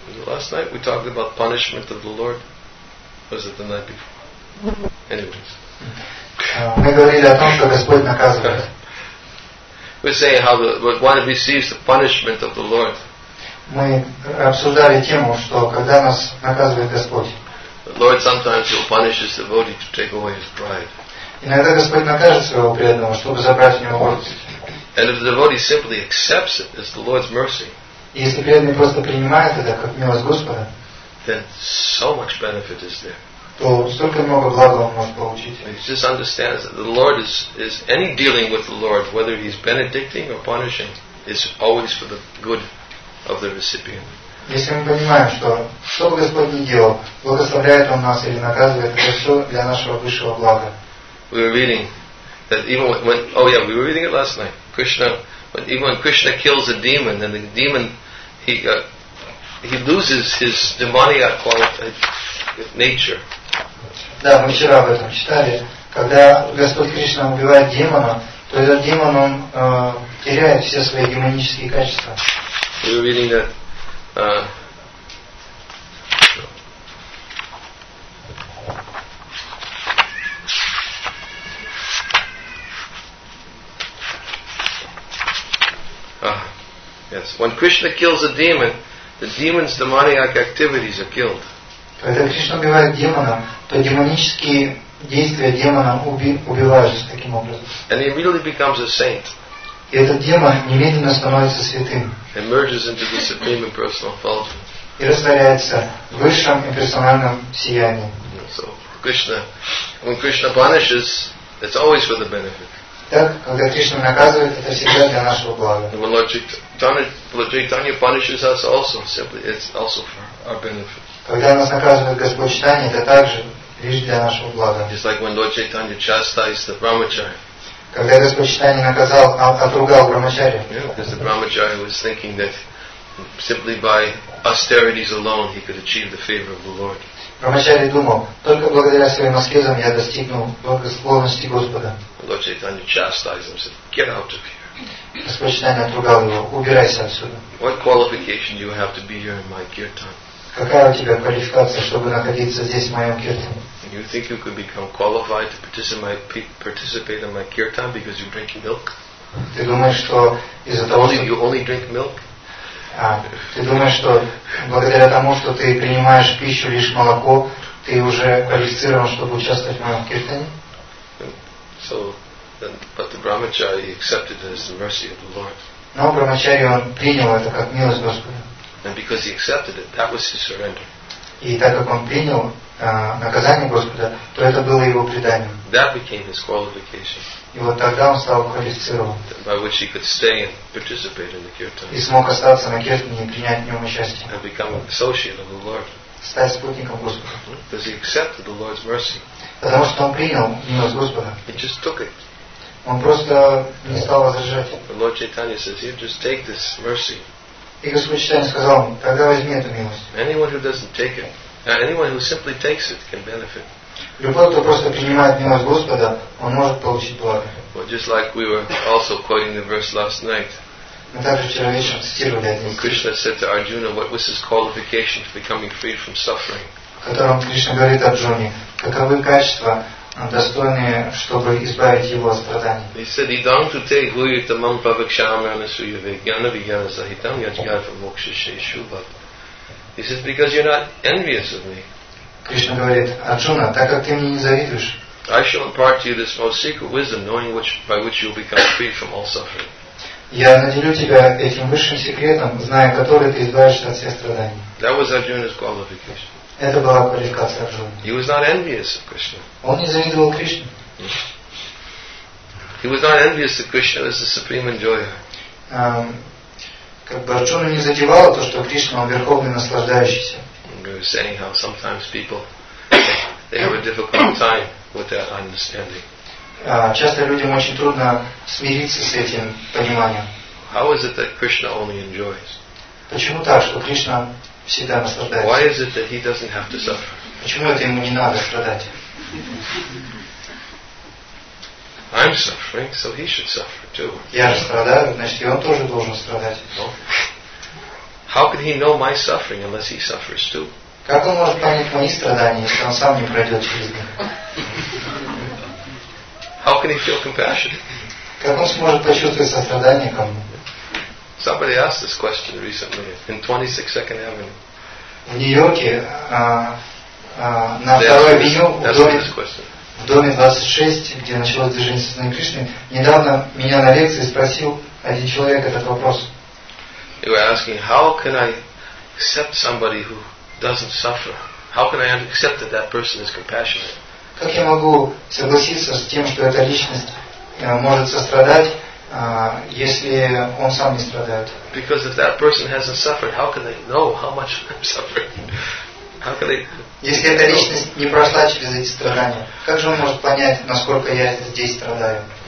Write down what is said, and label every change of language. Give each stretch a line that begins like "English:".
English: Last night we talked about punishment of the Lord. Was it the night before? Anyways.
Russian: Мы говорили о том, что Господь наказывает.
English: We're saying how one receives the punishment of the Lord.
Russian: Мы обсуждали тему, что когда нас наказывает Господь.
English: The Lord sometimes will punish his devotee to take away his pride.
Russian: Иногда Господь накажет своего преданного, чтобы забрать у него гордость.
English: And if the devotee simply accepts it, it's the Lord's mercy.
Russian: Если преданный просто принимает это как милость Господа,
English: then so much benefit is there.
Russian: То столько много блага он может получить.
English: He just understands that the Lord is any dealing with the Lord, whether he's benedicting or punishing, is always for the good of the recipient.
Russian: Если мы понимаем, что бы Господь ни делал, благословляет он нас или наказывает, это все для нашего высшего блага.
English: We were reading that even when we were reading it last night, Krishna. But even when Krishna kills a demon, then the demon he loses his demoniac quality, nature.
Russian: Да, мы вчера об этом читали. Когда Господь Кришна убивает демона, то этот демон он теряет все свои демонические качества.
English: We were reading that. Yes. When Krishna kills a demon, The demons, demoniac activities are killed.
Russian: Когда Кришна убивает демона, то демонические действия демона убиваются таким образом.
English: And he immediately becomes a saint.
Russian: И этот демон немедленно становится святым.
English: Emerges into the supreme and personal effulgence.
Russian: И растворяется в высшем и персональном сиянии.
English: So Krishna, when Krishna punishes, it's always for the benefit.
Russian: Так, когда Кришна наказывает, это всегда для нашего блага.
English: Lord Chaitanya punishes us also, simply it's also for our benefit.
Russian: Когда нас наказывает Господь Чайтанья, это также лишь для нашего блага.
English: Just like when Lord Chaitanya chastised the Brahmachari.
Russian: Когда Господь Чайтанья наказал, отругал Брахмачари.
English: Yeah, because the Brahmachari was thinking that simply by austerities alone he could achieve the favor of the Lord.
Russian: Брахмачари думал, только благодаря своим аскезам я достигну благосклонности Господа.
English: Lord Chaitanya chastised him, said, "Get out of here."
Russian: Господь Чайтанья отругал его, убирайся отсюда.
English: What qualification do you have to be here in my kirtan?
Russian: Какая у тебя квалификация, чтобы находиться здесь в моем киртане?
English: You think you could become qualified to participate in my kirtan because you drink milk?
Russian: Ты думаешь, что из-за того, что
English: you only drink milk?
Russian: Ты думаешь, что благодаря тому, что ты принимаешь пищу лишь молоко, ты уже квалифицирован, чтобы участвовать в моем киртане?
English: So, then, but the brahmachari accepted it as the mercy of the Lord.
Russian: Но брахмачари он принял это как милость Господа.
English: And because he accepted it, that was his surrender.
Russian: И так как он принял наказание Господа, то это было его преданием.
English: That became his qualification.
Russian: И вот тогда он стал квалифицирован.
English: By which he could stay and participate in the kirtan.
Russian: И смог остаться на киртане и принять в нем участие.
English: And become an associate of the Lord.
Russian: Стать спутником Господа.
English: Because he accepted the Lord's mercy.
Russian: Потому что он принял милость Господа.
English: He just took it.
Russian: Он просто не стал возражать.
English: The Lord Chaitanya says, "Here, just take this mercy."
Russian: И Господь Чайтанья сказал ему, тогда возьми эту милость.
English: Anyone who doesn't take it, anyone who simply takes it can benefit.
Russian: Любой, кто просто принимает милость Господа, он может получить благо.
English: Well, just like we were also quoting the verse last night.
Russian: Мы также вчера вечером цитировали этот стих.
English: Krishna said to Arjuna, what was his qualification for becoming free from suffering?
Russian: В котором Кришна говорит Арджуне, каковы качества достойные, чтобы избавить его от страданий.
English: He said,
Sanskrit: "Idam tu te guhyutamam pavakshama anasuya vegana vegana sahitam yajgata moksha sheshubhat."
English: He says, "Because you're not envious of me."
Russian: Кришна говорит, Арджуна, так как ты мне не завидуешь.
English: I shall impart to you this most secret wisdom, knowing which by which you'll become free from all suffering.
Russian: Я наделю тебя этим высшим секретом, зная который ты избавишься от всех страданий.
English: That was Arjuna's qualification.
Russian: Это была квалификация Арджуны.
English: He was not envious of Krishna.
Russian: Он не завидовал Кришне.
English: He was not envious of Krishna as the supreme enjoyer.
Russian: Как бы Арджуна не задевало то, что Кришна он верховный наслаждающийся.
English: We were saying how sometimes people they have a difficult time with that understanding.
Russian: Часто людям очень трудно смириться с этим пониманием.
English: How is it that Krishna only enjoys?
Russian: Почему так, что Кришна всегда наслаждается?
English: Why is it that he doesn't have to suffer?
Russian: Почему это ему не надо страдать?
English: I'm suffering, so he should suffer too.
Russian: Я же страдаю, значит, и он тоже должен страдать.
English: No. How can he know my suffering unless he suffers too?
Russian: Как он может понять мои страдания, если он сам не пройдет через них?
English: How can he feel compassion?
Russian: Как он сможет почувствовать сострадание ко мне?
English: Somebody asked this question recently in 26 Second Avenue.
Russian: В Нью-Йорке на 2-й авеню в доме 26, где началось движение сознания Кришны, недавно меня на лекции спросил один человек этот вопрос.
English: He was asking, how can I accept somebody who doesn't suffer? How can I accept that that person is compassionate?
Russian: Как я могу согласиться с тем, что эта личность может сострадать, если он сам не страдает?
English: Because if that person hasn't suffered, how can they know how much I'm suffering? How can they?
Russian: Если эта личность не прошла через эти страдания, как же он может понять, насколько я здесь страдаю?